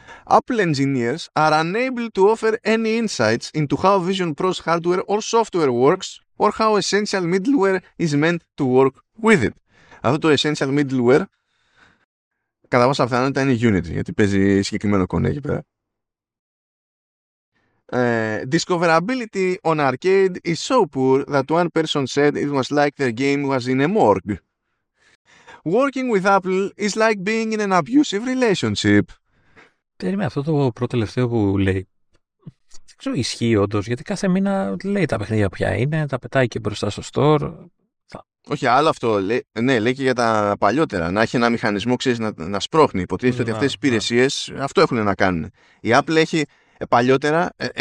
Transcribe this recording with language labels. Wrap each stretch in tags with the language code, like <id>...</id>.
<en>Apple engineers are unable to offer any insights into how Vision Pro's hardware or software works or how essential middleware is meant to work with it.</en> <el>Αυτό το</el> <en>essential middleware</en> <el>κατά πάσα πιθανότητα είναι Unity, γιατί παίζει συγκεκριμένο κονέ εκεί πέρα.</el> <en>Discoverability on arcade is so poor that one person said it was like their game was in a morgue. Working with Apple is like being in an abusive relationship.</en> <el>Περίμενε, αυτό το πρώτο τελευταίο που λέει. Δεν ξέρω, ισχύει όντως, γιατί κάθε μήνα λέει τα παιχνίδια ποια είναι, τα πετάει και μπροστά στο store. Όχι, άλλο αυτό. Λέει και για τα παλιότερα. Να έχει ένα μηχανισμό, ξέρεις, να σπρώχνει. Υποτίθεται ότι αυτές οι υπηρεσίες αυτό έχουν να κάνουν. Η Apple έχει παλιότερα.</el>